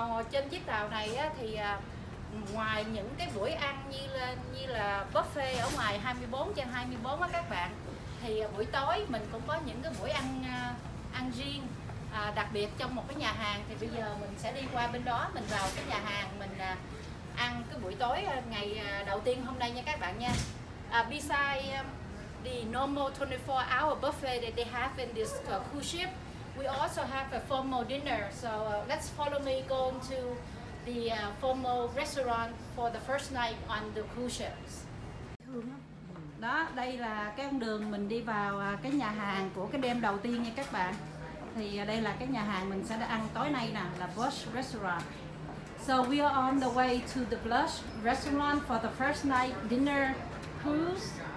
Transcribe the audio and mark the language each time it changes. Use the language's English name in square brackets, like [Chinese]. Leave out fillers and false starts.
[Vietnamese] trên chiếc tàu này á, thì ngoài những cái buổi ăn như là buffet ở ngoài 24/24 á các bạn, thì buổi tối mình cũng có những cái buổi ăn ăn riêng đặc biệt trong một cái nhà hàng. Thì bây giờ mình sẽ đi qua bên đó, mình vào cái nhà hàng mình ăn cái buổi tối ngày đầu tiên hôm nay nha các bạn nha. [English] Besides the normal 24-hour buffet that they have in this cruise ship, we also have a formal dinner. So let's follow me going to the formal restaurant for the first night on the cruise ships. [Vietnamese] Đó, đây là cái con đường mình đi vào cái nhà hàng của cái đêm đầu tiên nha các bạn. Thì đây là cái nhà hàng mình sẽ ăn tối nay nè, là Blush Restaurant. [English] So we are on the way to the Blush Restaurant for the first night dinner cruise.